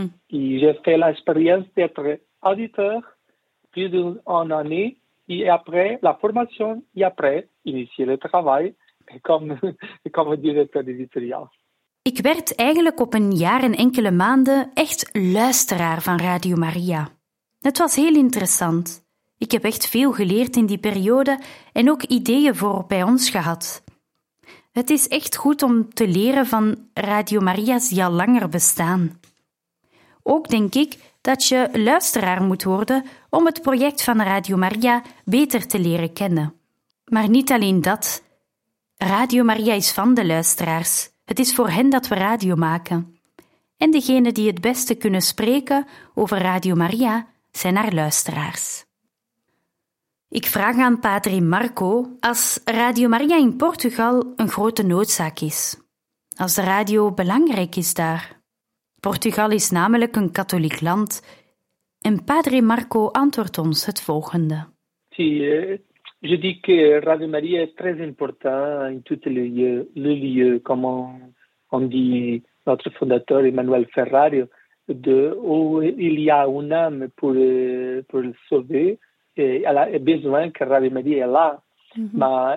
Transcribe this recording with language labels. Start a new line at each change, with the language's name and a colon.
French: Et j'ai fait l'expérience d'être auditeur plus d'une année et après la formation et après initier le travail.
Dutch: Ik kom directeur editorial. Ik werd eigenlijk op een jaar en enkele maanden echt luisteraar van Radio Maria. Het was heel interessant. Ik heb echt veel geleerd in die periode en ook ideeën voor bij ons gehad. Het is echt goed om te leren van Radio Maria's die al langer bestaan. Ook denk ik dat je luisteraar moet worden om het project van Radio Maria beter te leren kennen. Maar niet alleen dat... Radio Maria is van de luisteraars. Het is voor hen dat we radio maken. En degenen die het beste kunnen spreken over Radio Maria zijn haar luisteraars. Ik vraag aan Padre Marco als Radio Maria in Portugal een grote noodzaak is. Als de radio belangrijk is daar. Portugal is namelijk een katholiek land. En Padre Marco antwoordt ons het volgende. Die,
French: Je dis que Radio Maria est très important en tous les lieux, comme on dit notre fondateur Emmanuel Ferrario, où il y a une âme pour le sauver, et elle a besoin que Radio Maria est là. Mm-hmm.